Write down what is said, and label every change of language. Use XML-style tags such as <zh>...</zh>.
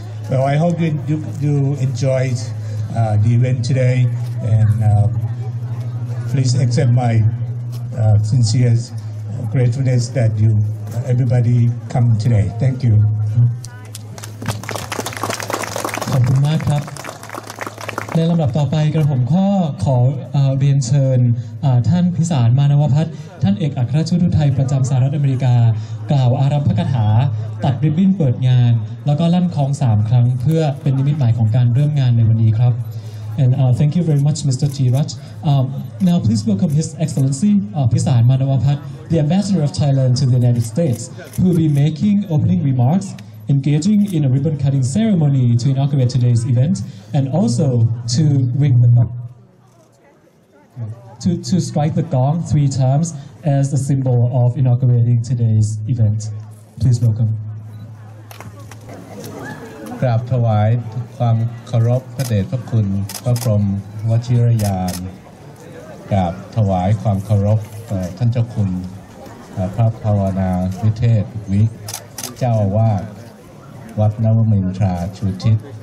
<en>Well, I hope you enjoyed the event today, and please accept my sincere gratefulness that you, everybody, come today. Thank you.</en> <th>ขอบคุณมากครับในลำดับต่อไปกระผมขอเรียนเชิญท่านพิสารมานวพัฒน์ท่านเอกอัครราชทูตไทยประจำสหรัฐอเมริกากล่าวอารัมภกถาตัดริบบิ้นเปิดงานแล้วก็ลั่นคล้อง3ครั้งเพื่อเป็นนิมิตหมายของการเริ่มงานในวันนี้ครับ</th> <en>And thank you very much Mr. Tirat Now please welcome His Excellency Pisan Manavapat the Ambassador of Thailand to the United States who will be making opening remarks engaging in a ribbon cutting ceremony to inaugurate today's event and also to ring the gong to strike the gong 3 times as a symbol of inaugurating today's event Please welcome</en> <th>กราบถวายความเคารพพระเดชพระคุณพระพรหมวชิรยานกราบถวายความเคารพท่านเจ้าคุณพระภาวนาวิเทศวิกเจ้าอาวาสวัดนวมินทราชูทิศ</th>